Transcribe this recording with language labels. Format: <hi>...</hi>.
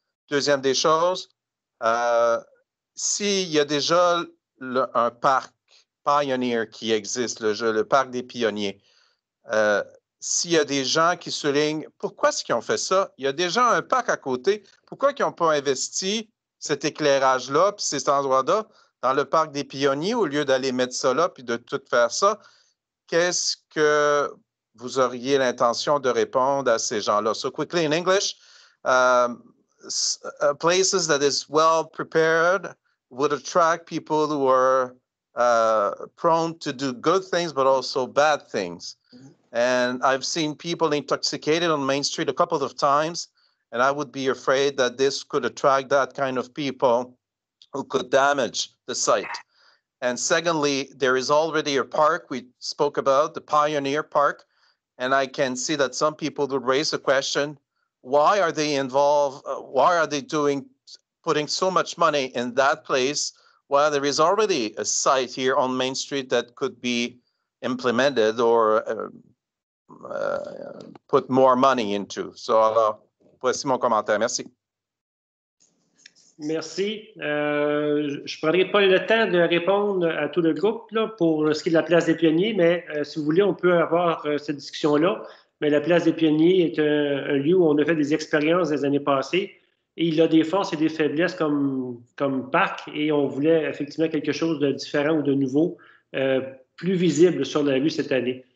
<fr>Deuxième des choses, s'il y a déjà un parc Pioneer qui existe, le parc des pionniers, s'il y a des gens qui soulignent pourquoi est-ce qu'ils ont fait ça, il y a déjà un parc à côté, pourquoi ils n'ont pas investi cet éclairage-là puis cet endroit-là dans le parc des pionniers au lieu d'aller mettre ça là puis de tout faire ça? Qu'est-ce que vous auriez l'intention de répondre à ces gens-là?</fr> <en>So quickly in English, places that is well prepared would attract people who are prone to do good things but also bad things. And I've seen people intoxicated on Main Street a couple of times, and I would be afraid that this could attract that kind of people who could damage the site. And secondly, there is already a park we spoke about, the Pioneer Park, and I can see that some people would raise the question, why are they involved, why are they doing, putting so much money in that place? Well, there is already a site here on Main Street that could be implemented or put more money into. So,</en> <fr>voici mon commentaire. Merci. Merci. Je ne prendrai pas le temps de répondre à tout le groupe là, pour ce qui est de la place des pionniers, mais si vous voulez, on peut avoir cette discussion-là. Mais la place des pionniers est un lieu où on a fait des expériences des années passées. Et il a des forces et des faiblesses comme parc, et on voulait effectivement quelque chose de différent ou de nouveau, plus visible sur la rue cette année.</fr>